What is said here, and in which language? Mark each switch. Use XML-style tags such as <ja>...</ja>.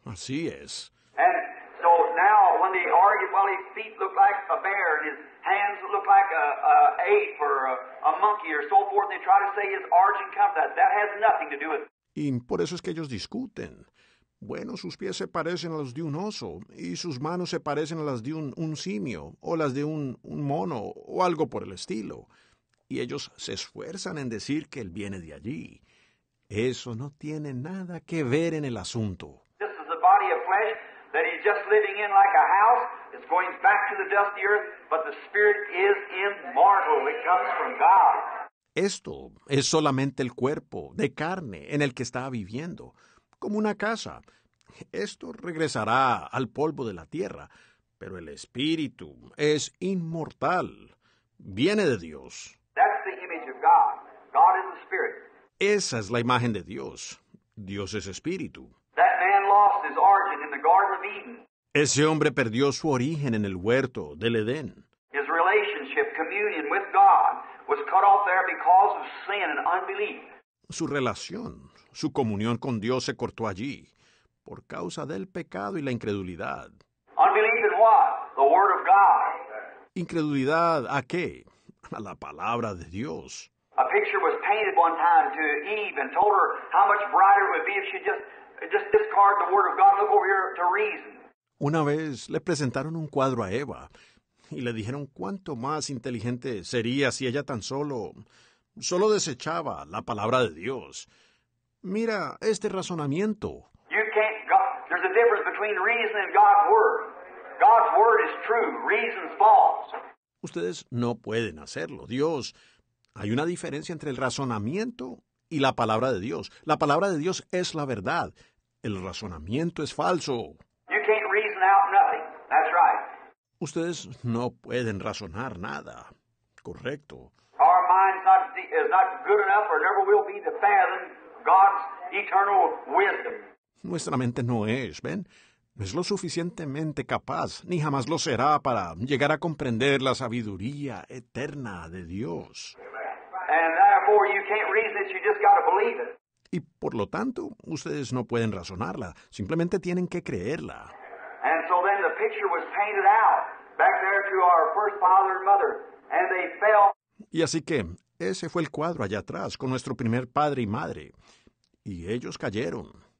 <es>Así es.</es> <en>And so now, when they argue, well, his feet look like a bear, and his hands look like an ape or a monkey or so forth, they try to say his origin comes. That has nothing to do with it.</en> <es>Y por eso es que ellos discuten. Bueno, sus pies se parecen a los de un oso, y sus manos se parecen a las de un simio, o las de un mono, o algo por el estilo. Y ellos se esfuerzan en decir que él viene de allí. Eso no tiene nada que ver en el asunto.</es> <en>This is a body of flesh that he's just living in like a house. It's going back to the dusty earth, but the spirit is immortal. It comes from God.</en> <es>Esto es solamente el cuerpo de carne en el que está viviendo, como una casa. Esto regresará al polvo de la tierra, pero el espíritu es inmortal. Viene de Dios.</es> <en>That's the image of God. God is the spirit.</en> <es>Esa es la imagen de Dios. Dios es espíritu.</es> <en>That man lost his origin in the Garden of Eden.</en> <es>Ese hombre perdió su origen en el huerto del Edén.</es> <en>His relationship, communion with God, was cut off there because of sin and unbelief.</en> <es>Su relación, su comunión con Dios se cortó allí por causa del pecado y la incredulidad.</es> <en>Unbelief in what? The word of God.</en> <es>¿Incredulidad a qué? A la palabra de Dios.</es> <en>A picture was painted one time to Eve and told her how much brighter it would be if she just discard the word of God and look over here to reason.</en> <es>Una vez le presentaron un cuadro a Eva y le dijeron cuánto más inteligente sería si ella tan solo desechaba la palabra de Dios. Mira este razonamiento.</es> <en>You can't go. There's a difference between reason and God's word. God's word is true. Reason's false.</en> <es>Ustedes no pueden hacerlo. Dios, hay una diferencia entre el razonamiento y la palabra de Dios. La palabra de Dios es la verdad. El razonamiento es falso.</es> <en>You can't reason out nothing. That's right.</en> <es>Ustedes no pueden razonar nada. Correcto.</es> <en>Our mind's not good enough or never will be to fathom God's eternal wisdom.</en> <es>Nuestra mente no es, ¿ven? No es lo suficientemente capaz, ni jamás lo será para llegar a comprender la sabiduría eterna de Dios.</es> <en>And therefore you can't reason it, you just gotta believe it.</en> <es>Y por lo tanto, ustedes no pueden razonarla, simplemente tienen que creerla.</es> <en>And so then the picture was painted out back there to our first father and mother, and they fell.</en> <es>Y así que ese fue el cuadro allá atrás con nuestro primer padre y madre. Y ellos cayeron.</es>